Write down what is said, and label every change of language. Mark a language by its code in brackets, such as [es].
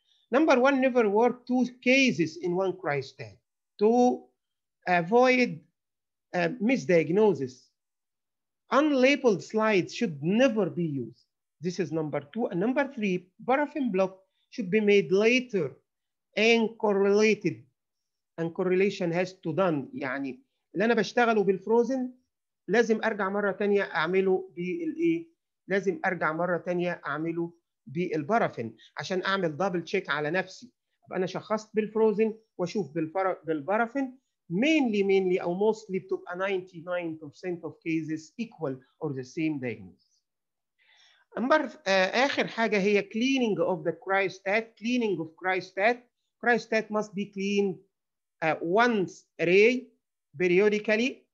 [en] Number one, never work 2 cases in 1 cryostat to avoid misdiagnosis. Unlabeled slides should never be used. This is number 2. And number 3, paraffin block should be made later and correlated. And correlation has to done. [ar] يعني اللي أنا بشتغله بالفروزن لازم أرجع مرة تانية أعمله بالإيه؟ لازم أرجع مرة تانية أعمله بالبارافين عشان اعمل دبل تشيك على نفسي. انا شخصت بالفروزن واشوف بالبارافين mainly او mostly بتبقى [en] 99% of cases equal or the same diagnosis. [ar] اخر حاجه هي [en] cleaning of the cryostat. Cleaning of cryostat. Cryostat must be cleaned once a day periodically.